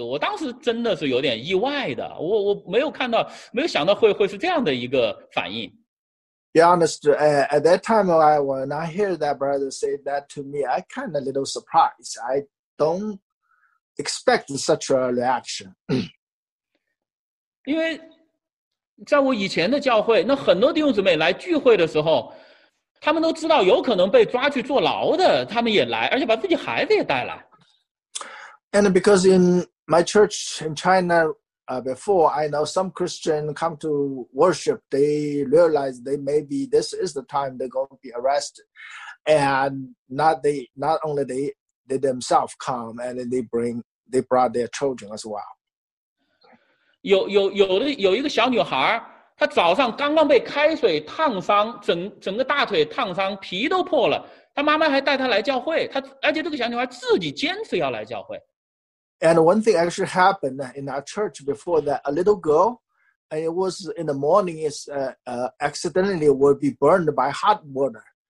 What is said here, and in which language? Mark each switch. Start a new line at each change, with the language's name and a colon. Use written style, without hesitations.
Chinese: 我当时真的是有点意外的。我没有看到，没有想到会是这样的一个反应。
English: Be honest, at that time when I hear that brother say that to me, I kind of a little surprised. I don't expect such a reaction.
Chinese: 因为在我以前的教会，那很多弟兄姊妹来聚会的时候，他们都知道有可能被抓去坐牢的，他们也来，而且把自己孩子也带来。
English: And because in my church in China,before I know some Christian come to worship, they realize they maybe this is the time they're going to be arrested, and not only they themselves come and then they brought their children as well.
Chinese: 有一个小女孩，她早上刚刚被开水烫伤，整个大腿烫伤，皮都破了。她妈妈还带她来教会，而且这个小女孩自己坚持要来教会。
English: And one thing actually happened in our church before that, a little girl, and it was in the morning, accidentally would be burned by hot water.